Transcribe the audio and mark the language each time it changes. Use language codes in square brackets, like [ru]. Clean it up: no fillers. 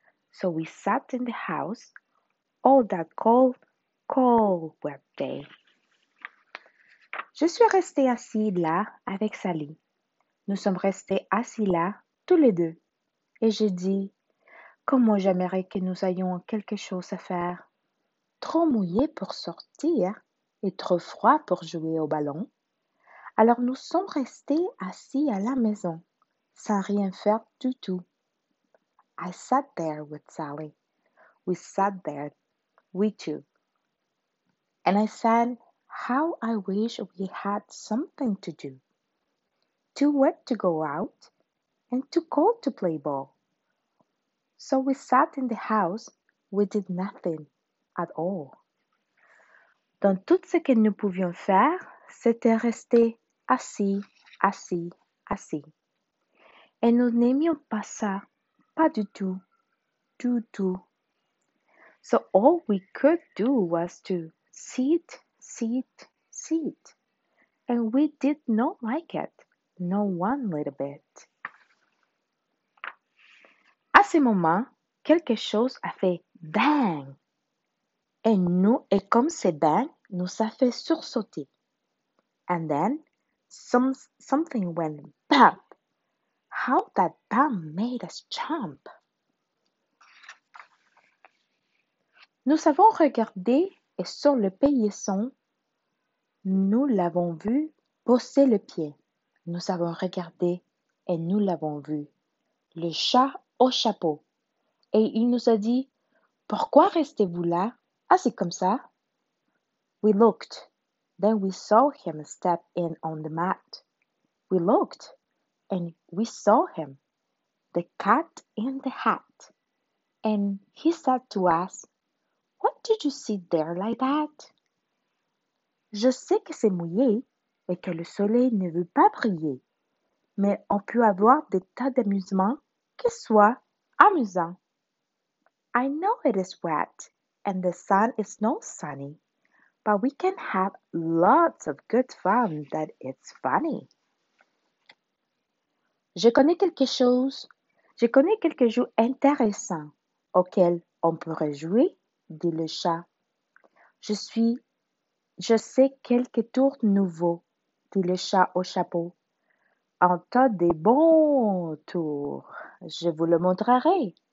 [en] So we sat in the house all that cold, cold wet day. [fr] Je suis restée assise là avec Sally. Nous sommes restés assis là, tous les deux. Et j'ai dit, comment j'aimerais que nous ayons quelque chose à faire. Trop mouillé pour sortir et trop froid pour jouer au ballon. Alors nous sommes restés assis à la maison, sans rien faire du tout. [en] I sat there with Sally. We sat there, we two. And I said, how I wish we had something to do. Too wet to go out and too cold to play ball. So we sat in the house, we did nothing at all. [fr] Dans tout ce que nous pouvions faire, c'était rester assis, assis, assis. Et nous n'aimions pas ça, pas du tout, du tout. [en] So all we could do was to sit, sit, sit. And we did not like it, not one little bit. [fr] À ce moment, quelque chose a fait bang. Et nous, et comme c'est bang, nous a fait sursauter. [en] And then, something went bam. How that bang made us jump. [fr] Nous avons regardé et sur le paillasson, nous l'avons vu poser le pied. Nous avons regardé et nous l'avons vu. Le chat au chapeau. Et il nous a dit, pourquoi restez-vous là? Ah, c'est comme ça. [en] We looked. Then we saw him step in on the mat. We looked and we saw him. The cat in the hat. And he said to us, what did you see there like that? [fr] Je sais que c'est mouillé et que le soleil ne veut pas briller. Mais on peut avoir des tas d'amusements qui soient amusants. [en] I know it is wet and the sun is not sunny. But we can have lots of good fun that it's funny. [fr] Je connais quelque chose. Je connais quelques jeux intéressants auxquels on pourrait jouer. Dit le chat. Je sais quelques tours nouveaux, dit le chat au chapeau. En tas de bons tours, je vous le montrerai.